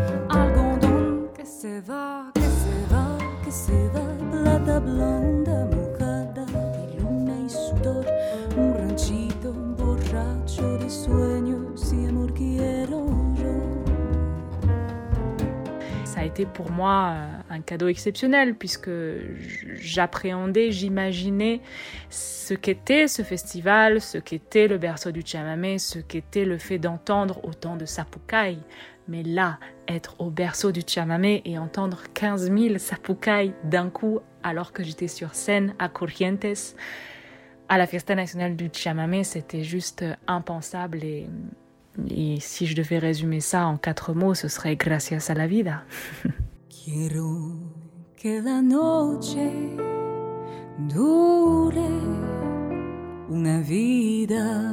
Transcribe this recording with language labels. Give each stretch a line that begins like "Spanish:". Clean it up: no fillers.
Spanish: Algodón que se va, que se va, que se va, plata blanda, mojada de luna y sudor, un ranchito borracho de sueños y amor quiero yo.
French: Ça a été pour moi un cadeau exceptionnel, puisque j'appréhendais, j'imaginais ce qu'était ce festival, ce qu'était le berceau du chamamé, ce qu'était le fait d'entendre autant de sapukai. Mais là, être au berceau du chamamé et entendre 15 000 sapukai d'un coup, alors que j'étais sur scène à Corrientes, à la Fiesta Nacional du Chamamé, c'était juste impensable. Et si je devais résumer ça en quatre mots, ce serait «
Spanish: gracias a la vida ». Quiero que la noche dure una vida.